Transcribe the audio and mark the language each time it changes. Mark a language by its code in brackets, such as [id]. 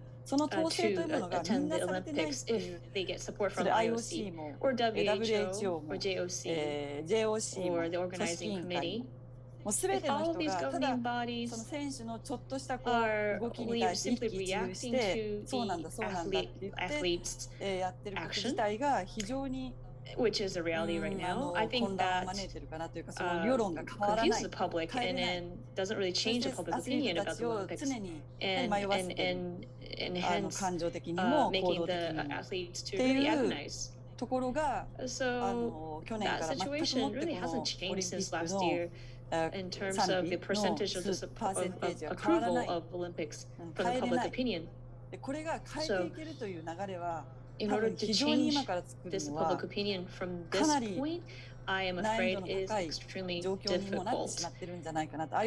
[ja] その統制というものがみんなされてないっていう、それ IOC も WHO も JOC も組織委員会も、全ての人がただその選手のちょっとしたこう動きに対して一喜一憂して、そうなんだそうなんだって言ってやってること自体が非常に [en] which is a reality right now. I think that confuse the public and then doesn't really change the public opinion about the Olympics and hence making the athletes to really agonize. [ja] ところが、去年から全くもってこのオリンピックの 30%のパーセンテージは変わらない、変えれない。でこれが変えていけるという流れは、多分非常に今から作るのはかなり難易度の高い状況にもなってしまってるんじゃないかなと。